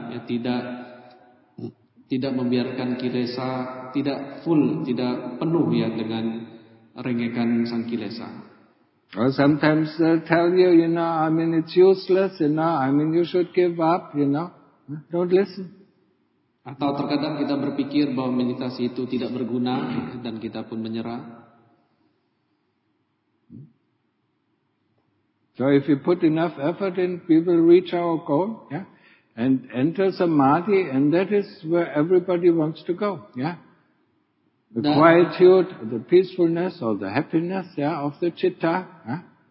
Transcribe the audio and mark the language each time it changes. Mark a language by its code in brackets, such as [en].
[id] Ya, tidak membiarkan kilesa tidak full, tidak penuh, ya, dengan rengekan sang kilesa. [en] Well, sometimes they tell you, you know, I mean, it's useless, you know, I mean, you should give up, you know. Don't listen. [id] Atau terkadang kita berpikir bahwa meditasi itu tidak berguna dan kita pun menyerah. [en] So if we put enough effort in, we will reach our goal, yeah, and enter samadhi, and that is where everybody wants to go, yeah. The quietude, the peacefulness, or the happiness, yeah, of the citta, yeah?